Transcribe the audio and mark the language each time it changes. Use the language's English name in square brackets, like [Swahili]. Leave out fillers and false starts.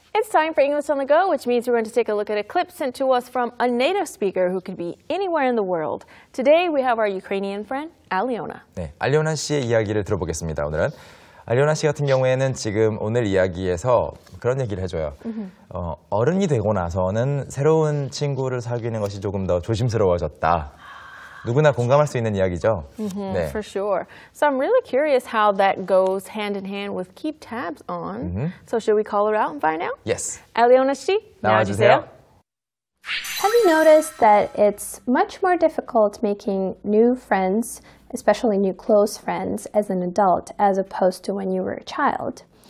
[English] Time for English on the Go, which means we're going to take a look at a clip sent to us from a native speaker who could be anywhere in the world. Today, we have our Ukrainian friend, Aliona. [Korean] 네, 알리오나 씨의 이야기를 들어보겠습니다, 오늘은. 알리오나 씨 같은 경우에는 지금 오늘 이야기에서 그런 얘기를 해줘요. 어른이 되고 나서는 새로운 친구를 사귀는 것이 조금 더 조심스러워졌다. 누구나 공감할 수 있는 이야기죠. [English] Mm-hmm, [Korean] 네. [English] For sure. So I'm really curious how that goes hand in hand with keep tabs on. Mm-hmm. So should we call her out and find out? Yes. [Korean] Aliona 씨, 나와주세요. [English] Have you noticed that it's much more difficult making new friends, especially new close friends, as an adult as opposed to when you were a child?